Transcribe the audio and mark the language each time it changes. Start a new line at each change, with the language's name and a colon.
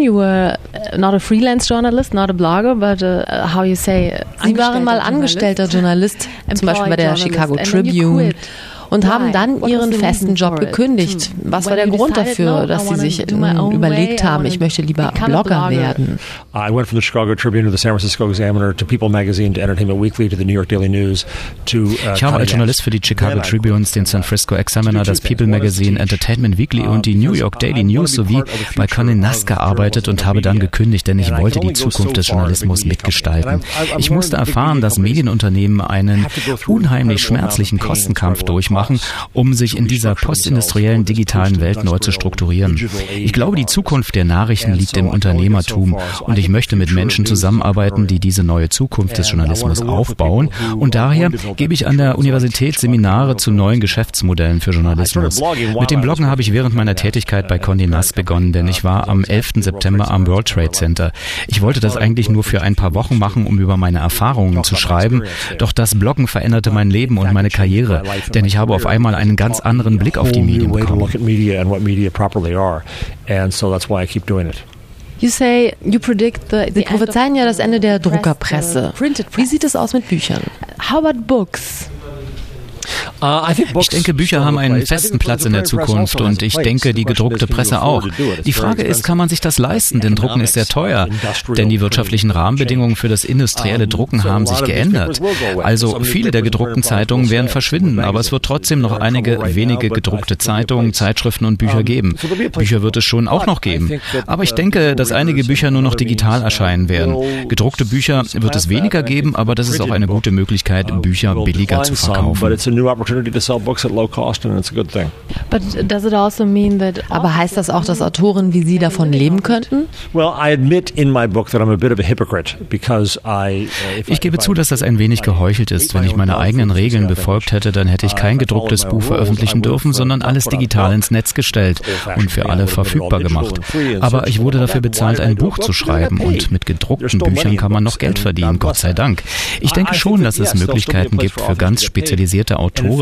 English: You were not a freelance journalist, not a blogger, but how you say?
German: Sie waren mal angestellter Journalist, zum Beispiel bei der Chicago Tribune. Und haben dann ihren festen Job gekündigt. Was war der Grund dafür, dass sie sich überlegt haben, ich möchte lieber Blogger werden?
English: I went from the Chicago Tribune to the San Francisco Examiner to People Magazine to Entertainment Weekly to the New York Daily News to
German: Ich habe als Journalist für die Chicago Tribune, den San Francisco Examiner, das People Magazine, Entertainment Weekly und die New York Daily News sowie bei Condé Nast gearbeitet und habe dann gekündigt, denn ich wollte die Zukunft des Journalismus mitgestalten. Ich musste erfahren, dass Medienunternehmen einen unheimlich schmerzlichen Kostenkampf durchmachen, um sich in dieser postindustriellen digitalen Welt neu zu strukturieren. Ich glaube, die Zukunft der Nachrichten liegt im Unternehmertum und ich möchte mit Menschen zusammenarbeiten, die diese neue Zukunft des Journalismus aufbauen und daher gebe ich an der Universität Seminare zu neuen Geschäftsmodellen für Journalismus. Mit dem Bloggen habe ich während meiner Tätigkeit bei Condé Nast begonnen, denn ich war am 11. September am World Trade Center. Ich wollte das eigentlich nur für ein paar Wochen machen, um über meine Erfahrungen zu schreiben, doch das Bloggen veränderte mein Leben und meine Karriere, denn ich habe auf einmal einen ganz anderen Blick auf die Medien bekommen.
English: Look at media and what media properly are, and so that's why I keep doing it. You say you predict the
German: Sie prophezeien ja das Ende der Druckerpresse. Wie sieht es aus mit Büchern?
English: How about books?
German: Ich denke, Bücher haben einen festen Platz in der Zukunft und ich denke, die gedruckte Presse auch. Die Frage ist, kann man sich das leisten, denn Drucken ist sehr teuer, denn die wirtschaftlichen Rahmenbedingungen für das industrielle Drucken haben sich geändert. Also viele der gedruckten Zeitungen werden verschwinden, aber es wird trotzdem noch einige wenige gedruckte Zeitungen, Zeitschriften und Bücher geben. Bücher wird es schon auch noch geben. Aber ich denke, dass einige Bücher nur noch digital erscheinen werden. Gedruckte Bücher wird es weniger geben, aber das ist auch eine gute Möglichkeit, Bücher billiger zu verkaufen.
English: Opportunity to sell books at low cost, and it's a good thing. But does it also mean that?
German: Aber heißt das auch, dass Autoren wie Sie davon leben könnten?
English: Well, I admit in my book that I'm a bit of a hypocrite because I.
German: Ich gebe zu, dass das ein wenig geheuchelt ist. Wenn ich meine eigenen Regeln befolgt hätte, dann hätte ich kein gedrucktes Buch veröffentlichen dürfen, sondern alles digital ins Netz gestellt und für alle verfügbar gemacht. Aber ich wurde dafür bezahlt, ein Buch zu schreiben, und mit gedruckten Büchern kann man noch Geld verdienen, Gott sei Dank. Ich denke schon, dass es Möglichkeiten gibt für ganz spezialisierte Autoren.